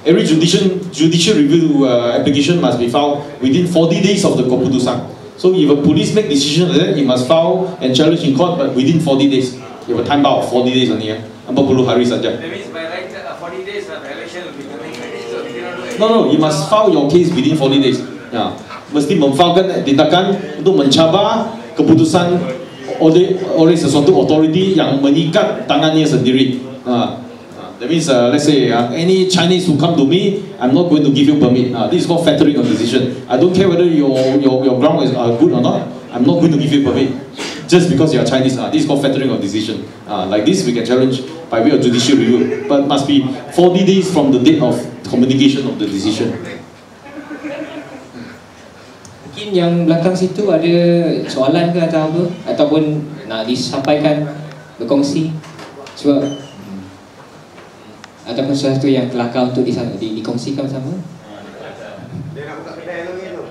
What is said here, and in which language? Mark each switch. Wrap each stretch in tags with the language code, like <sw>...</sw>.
<en>Every judicial review application must be filed within 40 days of the keputusan. So if a police make decision like that, it must file and challenge in court, but within 40 days. You have a time bound 40 days only.</en> <ms>40 hari saja.</ms> <en>That means by right 40 days violation will be coming. So no, you must file your case within 40 days. Yeah.</en> <ms>Mesti memfailkan tindakan untuk mencabar keputusan oleh sesuatu authority yang mengikat tangannya sendiri.</ms> <en>That means, let's say, any Chinese who come to me, I'm not going to give you permit. This is called fettering of decision. I don't care whether your ground is good or not, I'm not going to give you permit. Just because you are Chinese, this is called fettering of decision. Like this, we can challenge by way of judicial review. But must be 40 days from the date of communication of the decision.</en> <ms>Mungkin yang belakang situ ada soalan ke atau apa? Ataupun nak disampaikan, berkongsi? Cuba. Ataupun sesuatu yang kelakar untuk dikongsikan sama? Dia nak buka kedai lagi tu.</ms>